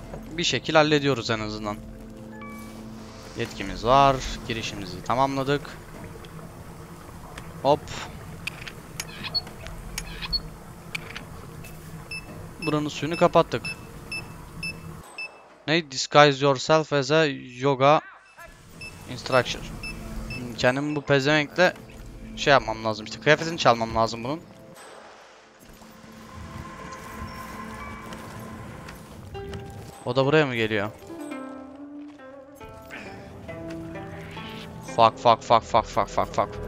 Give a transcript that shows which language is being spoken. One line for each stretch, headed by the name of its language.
Turkish: Bir şekil hallediyoruz en azından. Yetkimiz var. Girişimizi tamamladık. Hop. Buranın suyunu kapattık. Ne?
English: Disguise yourself as a yoga instructor.
Turkish: Kendimi bu pezevenkle şey yapmam lazım. İşte kıyafetini çalmam lazım bunun. O da buraya mı geliyor?
English: Fuck.